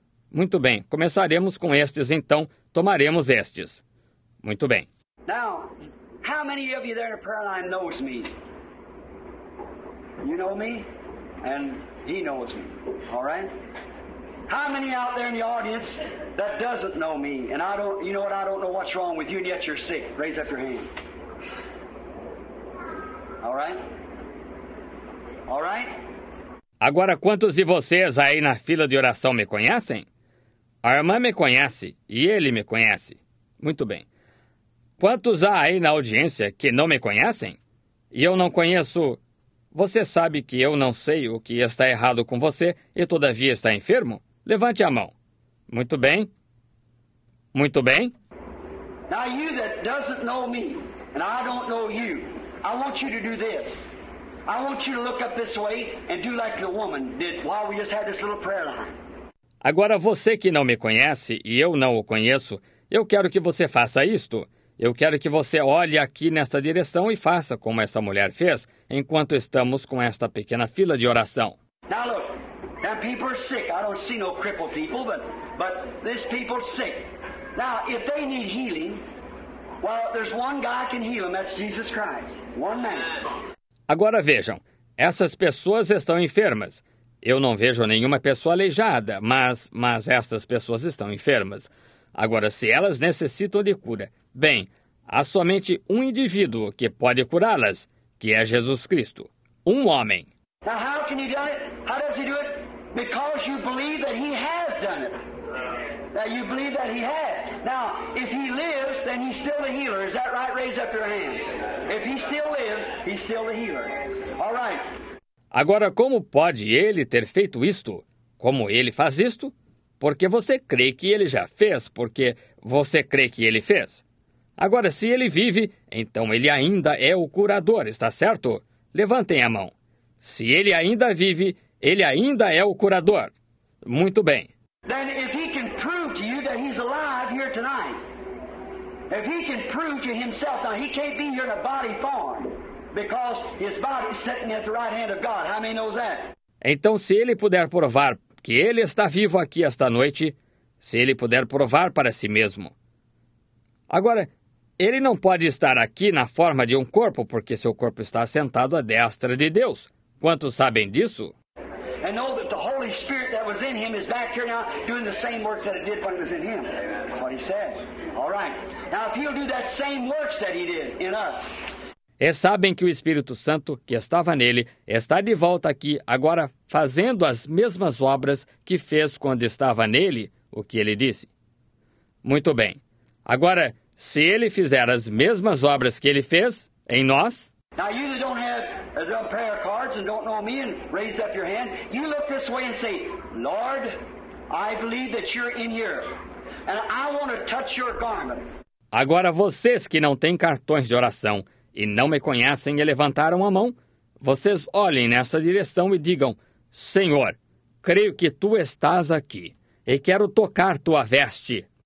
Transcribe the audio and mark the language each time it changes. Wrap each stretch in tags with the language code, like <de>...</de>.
<pt>Muito bem, começaremos com estes então. Tomaremos estes. Muito bem.</pt> <en>Now, how many of you there in the prayer line knows me? You know me, and he knows me, all right? How many out there in the audience that doesn't know me, and I don't, you know what, I don't know what's wrong with you, and yet you're sick? Raise up your hand. All right? All right?</en> <pt>Agora, quantos de vocês aí na fila de oração me conhecem? A irmã me conhece e ele me conhece. Muito bem. Quantos há aí na audiência que não me conhecem? E eu não conheço... Você sabe que eu não sei o que está errado com você e todavia está enfermo? Levante a mão. Muito bem. Muito bem.</pt> <en>Now you that doesn't know me, and I don't know you, I want you to do this. I want you to look up this way and do like the woman did while we just had this little prayer line.</en> <pt>Agora, você que não me conhece e eu não o conheço, eu quero que você faça isto. Eu quero que você olhe aqui nesta direção e faça como essa mulher fez enquanto estamos com esta pequena fila de oração.</pt> <en>Now look, now people are sick. I don't see no crippled people, but this people's sick. Now, if they need healing, well, there's one guy can heal them. That's Jesus Christ. One man.</en> <pt>Agora vejam, essas pessoas estão enfermas. Eu não vejo nenhuma pessoa aleijada, mas estas pessoas estão enfermas. Agora, se elas necessitam de cura, bem, há somente um indivíduo que pode curá-las, que é Jesus Cristo, um homem.</pt> <en>Now, how can he do it? How does he do it? Because you believe that he has done it. That you believe that he has. Now, if he lives, then he's still the healer. Is that right? Raise up your hands. If he still lives, he's still the healer. All right.</en> <pt>Agora, como pode ele ter feito isto? Como ele faz isto? Porque você crê que ele já fez, porque você crê que ele fez. Agora, se ele vive, então ele ainda é o curador, está certo? Levantem a mão. Se ele ainda vive, ele ainda é o curador. Muito bem.</pt> <en>Then if he can prove to you that he's alive here tonight, if he can prove to himself, now he can't be here in a body form, because his body is sitting at the right hand of God. How many knows that?</en> <pt>Então, se ele puder provar que ele está vivo aqui esta noite, se ele puder provar para si mesmo. Agora, ele não pode estar aqui na forma de um corpo, porque seu corpo está sentado à destra de Deus. Quantos sabem disso?</pt> <en>And know that the Holy Spirit that was in him is back here now doing the same works that it did when it was in him. What he said. All right. Now if he'll do that same works that he did in us.</en> <pt>E sabem que o Espírito Santo que estava nele está de volta aqui agora fazendo as mesmas obras que fez quando estava nele, o que ele disse. Muito bem. Agora, se ele fizer as mesmas obras que ele fez em nós,</pt> <en>now you that don't have the prayer cards and don't know me and raise up your hand, you look this way and say, Lord, I believe that you're in here and I want to touch your garment.</en> <pt>Agora vocês que não têm cartões de oração e não me conhecem e levantaram a mão, vocês olhem nessa direção e digam, Senhor, creio que tu estás aqui e quero tocar tua veste.</pt>